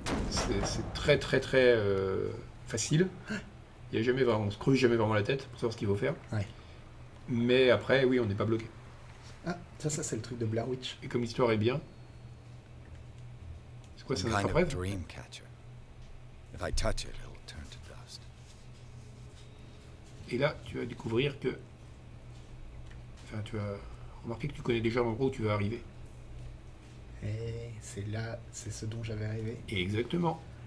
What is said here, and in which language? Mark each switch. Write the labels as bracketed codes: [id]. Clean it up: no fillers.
[fr] C'est très très très facile. Il y a jamais vraiment, on ne se creuse jamais vraiment la tête pour savoir ce qu'il faut faire. Ouais. Mais après, oui, on n'est pas bloqué. Ah, ça c'est le truc de Blair Witch. Et comme l'histoire est bien. C'est quoi, c'est un rêve? Dream catcher. [en] If I touch it, it'll turn to dust. [fr] Et là, tu vas découvrir que. Enfin, tu vas remarquer que tu connais déjà l'endroit où tu vas arriver. Eh, c'est là, c'est ce dont j'avais rêvé. Et exactement.